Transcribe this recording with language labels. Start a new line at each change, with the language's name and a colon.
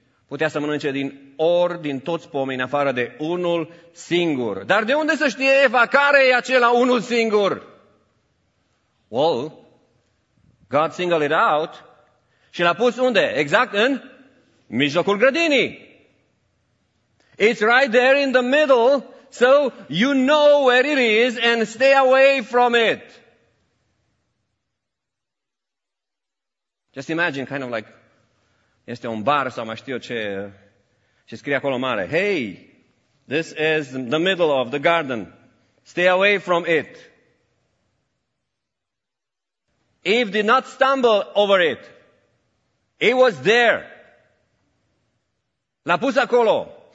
Romanian: Putea să mănânce din toți pomii, în afară de unul singur. Dar de unde să știe Eva care e acela unul singur?
English: Well, God singled it out.
Romanian: Și l-a pus unde? Exact în mijlocul grădinii.
English: It's right there in the middle, so you know where it is and stay away from it. Just imagine, kind of like,
Romanian: este un bar sau mai știu ce, și scrie acolo mare,
English: hey, this is the middle of the garden, stay away from it. Eve did not stumble over it. It was there.
Romanian: L-a pus acolo.